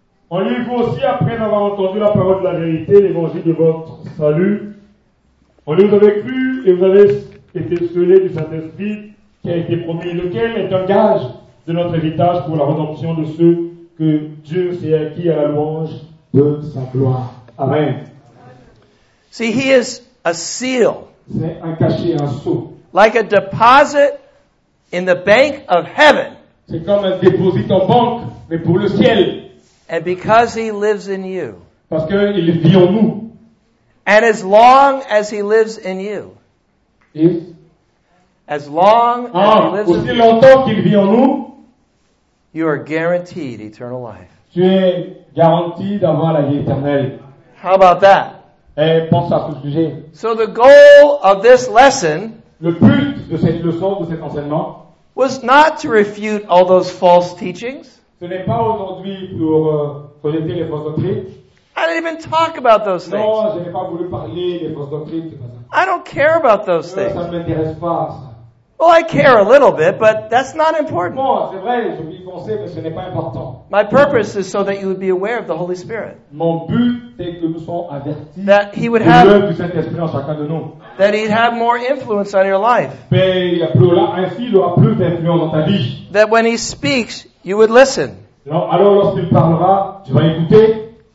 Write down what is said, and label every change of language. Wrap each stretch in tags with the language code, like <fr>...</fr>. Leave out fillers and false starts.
<fr>En lui, vous aussi, après avoir entendu la parole de la vérité, l'évangile de votre salut, en lui, vous avez cru et vous avez été scellés du Saint-Esprit qui a été promis, lequel est un gage de notre héritage pour la rédemption de ceux que Dieu s'est acquis à la louange de sa gloire. Amen.</fr> <en>See, he is a seal.</en> <fr>C'est un cachet, un sceau.</fr> <en>Like a deposit in the bank of heaven.</en> <fr>C'est comme un dépôt en banque, mais pour le ciel.</fr> <en>And because he lives in you.</en> <fr>Parce qu'il vit en nous.</fr> <en>And as long as he lives in you. If. As long as he lives</en> <fr>aussi longtemps qu'il vit en nous.</fr> <en>You are guaranteed eternal life.</en> <fr>Tu es garanti d'avoir la vie éternelle.</fr> <en>How about that?</en> <fr>Et pense à ce sujet.</fr> <en>So the goal of this lesson.</en> <fr>Le but de cette leçon, de cet enseignement.</fr> <en>Was not to refute all those false teachings.</en> <fr>Ce n'est pas aujourd'hui pour connaître les fausses doctrines.</fr> <en>I didn't even talk about those things.</en> <fr>Non, je n'ai pas voulu parler des fausses doctrines.</fr> <en>I don't care about those things.</en> <fr>Ça ne m'intéresse pas.</fr> <en>Well, I care a little bit, but that's not important.</en> <fr>Bon, c'est vrai, je veux y penser, mais ce n'est pas important.</fr> <en>My purpose is so that you would be aware of the Holy Spirit.</en> <fr>Mon but, c'est que nous soyons avertis.</fr> <en>That he would have.</en> <fr>Du Saint-Esprit en chacun de nous.</fr> <en>That he'd have more influence on your life. That when he speaks, you would listen.</en> <fr>Alors, lorsqu'il parlera, tu vas écouter.</fr>